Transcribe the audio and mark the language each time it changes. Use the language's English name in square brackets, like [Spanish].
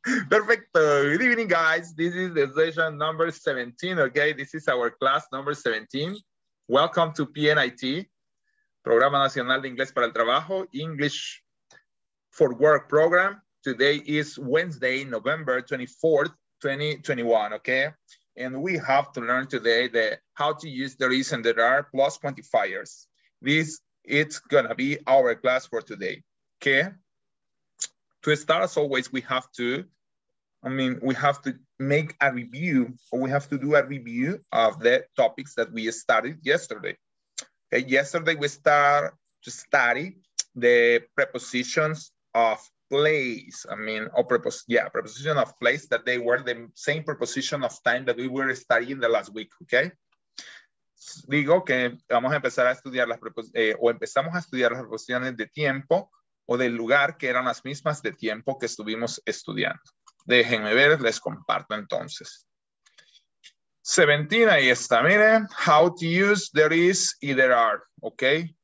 [English] Perfecto. Good evening, guys. This is the session number 17, ¿ok? This is our class number 17. Welcome to PNIT, Programa Nacional de Inglés para el Trabajo, English for Work Program. Today is Wednesday, November 24th, 2021, ¿ok? And we have to learn today the how to use the reason there are plus quantifiers. This is gonna be our class for today. Okay. To start, as always, we have to make a review, or we have to do a review of the topics that we studied yesterday. Okay, yesterday we start to study the prepositions of place, preposition of place, that they were the same preposition of time that we were studying the last week, okay? [Spanish] Digo que vamos a empezar a estudiar las empezamos a estudiar las preposiciones de tiempo o del lugar que eran las mismas de tiempo que estuvimos estudiando. Déjenme ver, les comparto entonces. 17, ahí está, miren, [English] how to use there is [Spanish] y there are, okay?